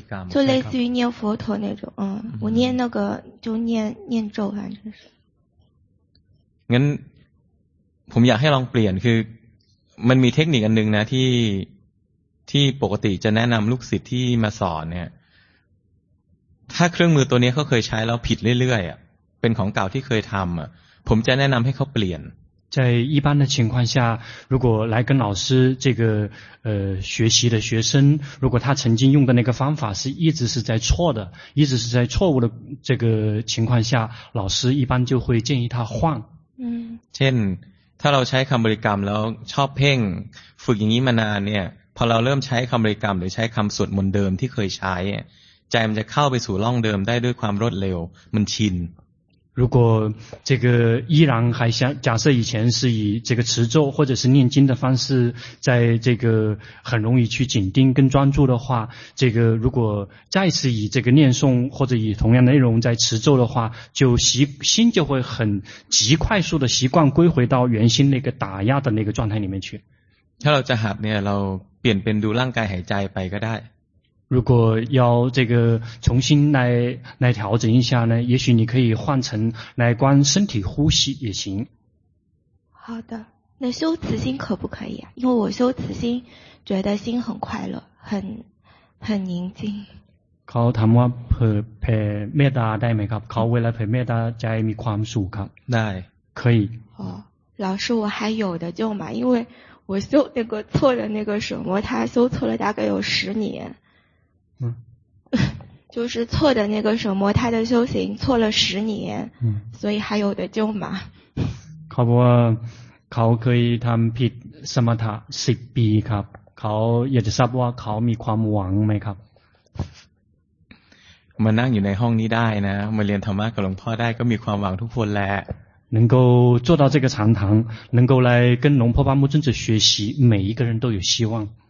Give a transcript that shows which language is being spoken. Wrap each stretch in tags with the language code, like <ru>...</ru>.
<zh>就类似于念佛陀那种，嗯，嗯我念那个就念念咒，反正是。</zh> <th>งั้นผมอยากให้ลองเปลี่ยนคือมันมีเทคนิคอันนึงนะที่ปกติจะแนะนำลูกศิษย์ที่มาสอนเนี่ยถ้าเครื่องมือตัวนี้เขาเคยใช้แล้วผิดเรื่อยๆอ่ะเป็นของเก่าที่เคยทำอ่ะผมจะแนะนำให้เขาเปลี่ยน</th> <zh>在一般的情况下，如果来跟老师这个学习的学生，如果他曾经用的那个方法是一直是在错的，一直是在错误的这个情况下，老师一般就会建议他换。嗯。</zh> <th>เช่นถ้าเราใช้คำบริกรรมแล้วชอบเพ่งฝึกอย่างนี้มานานเนี่ยพอเราเริ่มใช้คำบริกรรมหรือใช้คำสวดมนต์เดิมที่เคยใช้ใจมันจะเข้าไปสู่ร่องเดิมได้ด้วยความรวดเร็วมันชิน</th> <zh>如果这个依然还像假设以前是以这个持咒或者是念经的方式在这个很容易去紧盯跟专注的话这个如果再次以这个念诵或者以同样内容在持咒的话就心就会很极快速的习惯归回到原心那个打压的那个状态里面去</zh> <th>ถ้าเราจะหัดเนี่ยเราเปลี่ยนเป็นดูร่างกายหายใจไปก็ได้</th> <zh>如果要这个重新来调整一下呢，也许你可以换成来观身体呼吸也行。好的，那修慈心可不可以啊？因为我修慈心，觉得心很快乐，很宁静。</zh> <th>เขาถามว่าเผยเมตตาได้ไหมครับ？เขาเวลาเผยเมตตาใจมีความสุขครับ？ ได้，</th> <zh>可以。哦，老师，我还有的救嘛？因为我修那个错的那个什么，他修错了大概有十年。嗯，就是错的那个什么，他的修行错了十年，嗯，所以还有的救嘛。</zh> <th>เขาบอกว่าเขาเคยทำผิดสมถะสิบปีครับเขาอยากจะทราบว่าเขามีความหวังไหมครับ มานั่งอยู่ในห้องนี้ได้นะมาเรียนธรรมะกับหลวงพ่อได้ก็มีความหวังทุกคนแหละ</th> <zh>能够坐到这个禅堂，能够来跟龙婆巴木尊者学习，每一个人都有希望。</zh>